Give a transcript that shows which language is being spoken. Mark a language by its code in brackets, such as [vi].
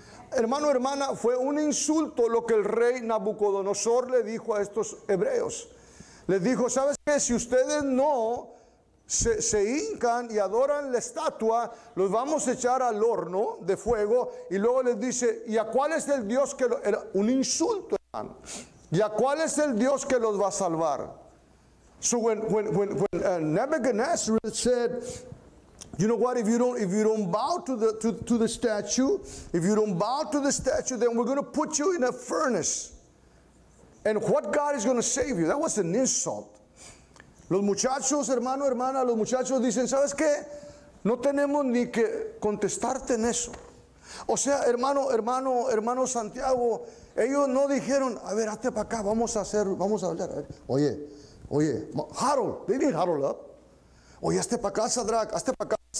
[es] Hermano, hermana, fue un insulto lo que el rey Nabucodonosor le dijo a estos hebreos. Les dijo, ¿sabes qué? Si ustedes no se hincan y adoran la estatua, los vamos a echar al horno de fuego. Y luego les dice, ¿y a cuál es el Dios que lo...? Era un insulto, hermano. ¿Y a cuál es el Dios que los va a salvar? [en] So when Nebuchadnezzar said, you know what, if you don't bow to the statue, then we're going to put you in a furnace. And what God is going to save you? That was an insult. [es] Los muchachos, hermano, hermana, los muchachos dicen, ¿sabes qué? No tenemos ni que contestarte en eso. O sea, hermano Santiago, ellos no dijeron, a ver, hazte para acá, vamos a hablar. Oye, Harold, [en] they didn't Harold up. [es] Oye, hazte para acá, Sadrach, hazte para acá.